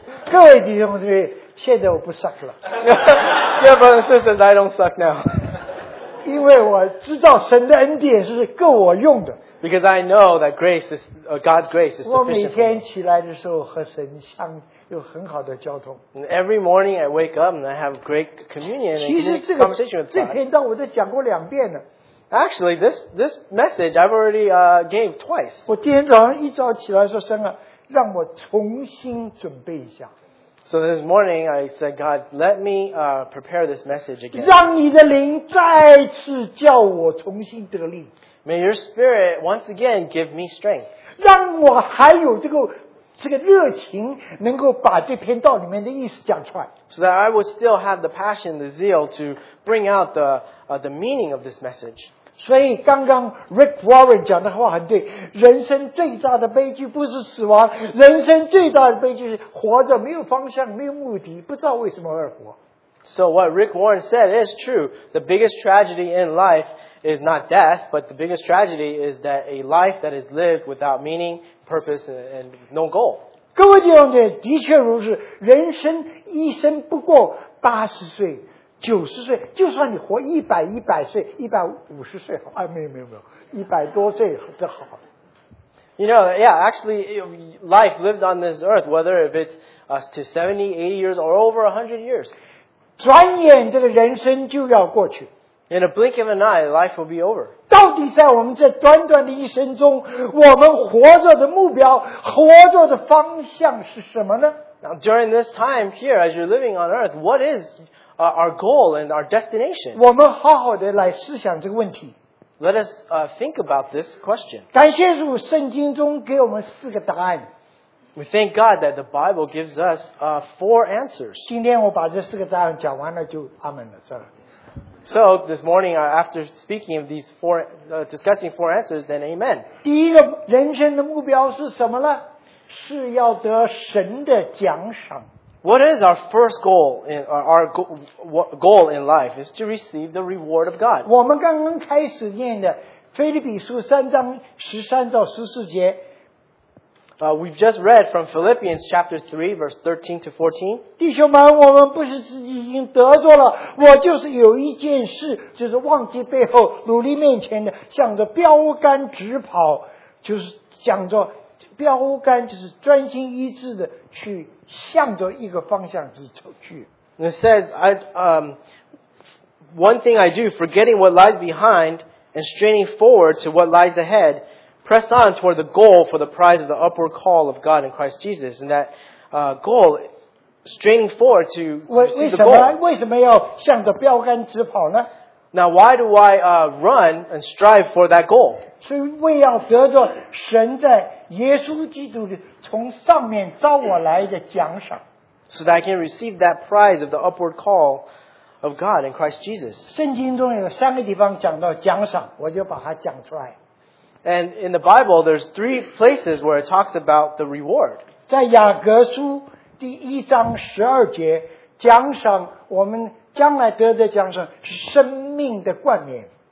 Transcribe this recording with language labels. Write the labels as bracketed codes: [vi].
[zh] 各位弟兄姊妹，现在我不 suck 了。 [en] Dear brothers and sisters, I don't suck now. [zh] 因为我知道神的恩典是够我用的。 [en] Because I know that grace is God's grace is sufficient. [zh] 我每天起来的时候和神相有很好的交通。 [en] And every morning I wake up and I have great communion and conversation with God. [zh] 这篇道我都讲过两遍了。 [en] Actually, this message I've already gave twice. [zh] 我今天早上一早起来说神啊，让我重新准备一下。 [en] So this morning I said, God, let me prepare this message again. [zh] 让你的灵再次叫我重新得力。 [en] May your spirit once again give me strength. [zh] 让我还有这个热情，能够把这篇道里面的意思讲出来。 [en] So that I will still have the passion, the zeal to bring out the meaning of this message. [zh] 所以刚刚 Rick Warren 讲的话很对，人生最大的悲剧不是死亡，人生最大的悲剧是活着没有方向，没有目的，不知道为什么而活。 [en] So what Rick Warren said is true. The biggest tragedy in life is not death, but the biggest tragedy is that a life that is lived without meaning, purpose, and no goal. [zh] 各位弟兄姐妹，的确如此，人生一生不过80岁、90岁，就算你活100岁、150岁，哎，没有，100多岁就好了。 [en] You know, yeah, actually, life lived on this earth, whether if it's to 70, 80 years or over 100 years. [zh] 转眼这个人生就要过去。 [en] In a blink of an eye, life will be over. [zh] 到底在我们这短短的一生中，我们活着的目标，活着的方向是什么呢？ [en] Now, during this time here, as you're living on earth, what is our goal and our destination? [zh] 我们好好的来思想这个问题。 [en] Let us think about this question. [zh] 感谢主，圣经中给我们四个答案。 [en] We thank God that the Bible gives us four answers. [zh] 今天我把这四个答案讲完了就阿门了，是吧？ [en] So this morning, after speaking of these four, discussing four answers, then amen. [zh] 第一个人生的目标是什么呢？是要得神的奖赏。 [en] What is our first goal in our goal in life is to receive the reward of God. [zh] 我们刚刚开始念的腓立比书三章十三到十四节。 [en] We've just read from Philippians chapter 3, verse 13 to 14. [zh] 弟兄们，我们不是自己已经得着了，我就是有一件事，就是忘记背后，努力面前的，向着标杆直跑，就是向着标杆，就是专心一致的去向着一个方向之走去。 [en] It says, one thing I do, forgetting what lies behind and straining forward to what lies ahead,Press on toward the goal for the prize of the upward call of God in Christ Jesus. And that goal, straining forward to receive the goal. [zh] 为什么要向着标杆直跑呢？ [en] Now, why do I run and strive for that goal? [zh] 是为要得着神在耶稣基督从上面召我来的奖赏。 [en] So that I can receive that prize of the upward call of God in Christ Jesus. [zh] 圣经中有三个地方讲到奖赏，我就把它讲出来。 [en] And in the Bible, there's three places where it talks about the reward. [zh] 在雅各书第一章十二节，奖赏我们将来得的奖赏是生命的冠冕。